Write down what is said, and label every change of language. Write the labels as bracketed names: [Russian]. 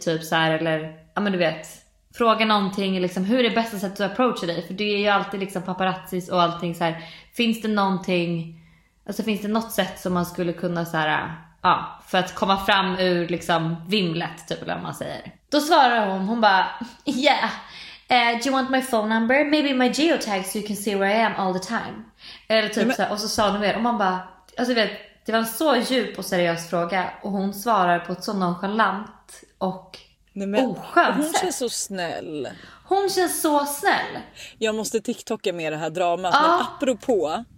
[Swedish] Typ så här, eller ja men du vet, fråga någonting, liksom, hur är det bästa sättet att approacha dig? För du är ju alltid liksom paparazzis och allting så här. Finns det någonting, alltså finns det något sätt som man skulle kunna så här, ja, för att komma fram ur liksom vimlet typ, eller vad man säger. Då svarar hon, hon bara, [English] yeah, do you want my phone number? Maybe my geotag so you can see where I am all the time. [Swedish] Eller typ så här, och så sa hon mer, och man bara, alltså vet, det var en så djup och seriös fråga. Och hon svarar på ett så nonchalant och oskönt sätt. Hon känns så snäll. Hon känns så snäll. Jag måste TikToka med det här dramat, men apropå...